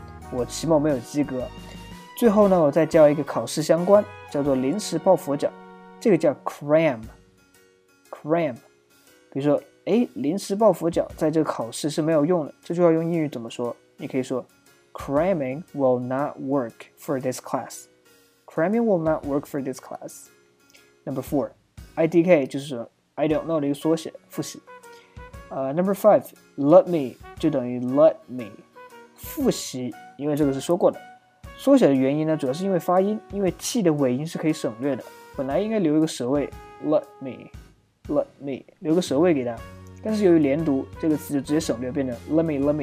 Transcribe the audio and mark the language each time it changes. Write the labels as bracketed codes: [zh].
[zh] 我期末没有及格。最后呢，我再教一个考试相关，叫做临时抱佛脚，这个叫 cram。 [en] cram。 [zh] 比如说，哎，临时抱佛脚在这个考试是没有用的。这句话用英语怎么说？你可以说 [en] cramming will not work for this class. Cramming will not work for this class. Number four, IDK [zh] 就是 [en] I don't know [zh] 的一个缩写，复习。 [en] Number five, let me, [zh] 就等于 [en] let me, [zh] 复习因为这个是说过的。缩写的原因呢主要是因为发音因为 T 的尾音是可以省略的。本来应该留一个舌位 [en] let me, [zh] 留个舌位给他。但是由于连读这个词就直接省略变成 [en] let me.